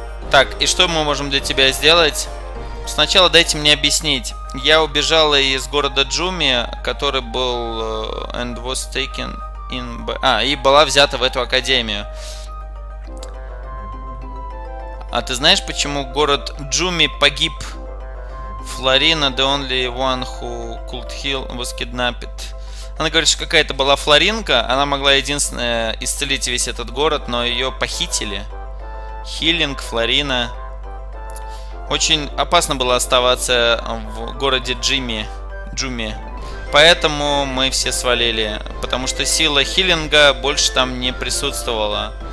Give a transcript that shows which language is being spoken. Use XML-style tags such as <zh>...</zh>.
<ru>Так, и что мы можем для тебя сделать? Сначала дайте мне объяснить. Я убежала из города Джуми, который был...</ru> <en>And was taken in...</en> <ru>А, и была взята в эту академию. А ты знаешь, почему город Джуми погиб?</ru> <en>Флорина, the only one who could heal, was kidnapped.</en> <ru>Она говорит, что какая-то была флоринка, она могла единственная исцелить весь этот город, но ее похитили. Хилинг, Флорина. Очень опасно было оставаться в городе Джуми. Джуми. Поэтому мы все свалили, потому что сила хилинга больше там не присутствовала.</ru>